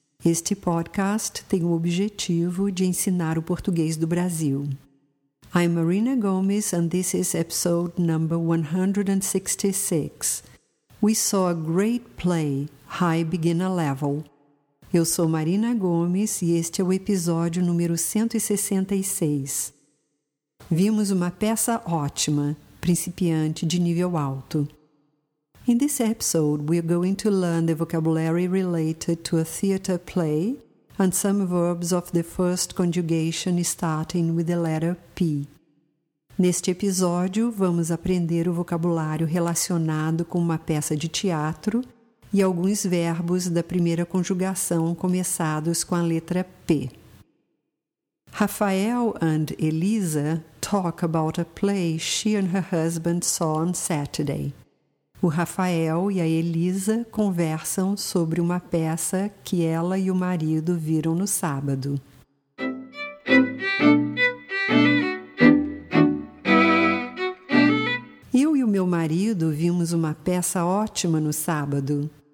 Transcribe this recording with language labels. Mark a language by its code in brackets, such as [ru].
[pt] Este podcast tem o objetivo de ensinar o português do Brasil. [en] I'm Marina Gomes and this is episode number 166. We saw a great play, High Beginner Level. [pt] Eu sou Marina Gomes e este é o episódio número 166. Vimos uma peça ótima, principiante de nível alto. [en] In this episode, we are going to learn the vocabulary related to a theater play and some verbs of the first conjugation starting with the letter P. [pt] Neste episódio, vamos aprender o vocabulário relacionado com uma peça de teatro e alguns verbos da primeira conjugação começados com a letra P. [en] Rafael and Elisa talk about a play she and her husband saw on Saturday. [pt] O Rafael e a Elisa conversam sobre uma peça que ela e o marido viram no sábado. Eu e o meu marido vimos uma peça ótima no sábado.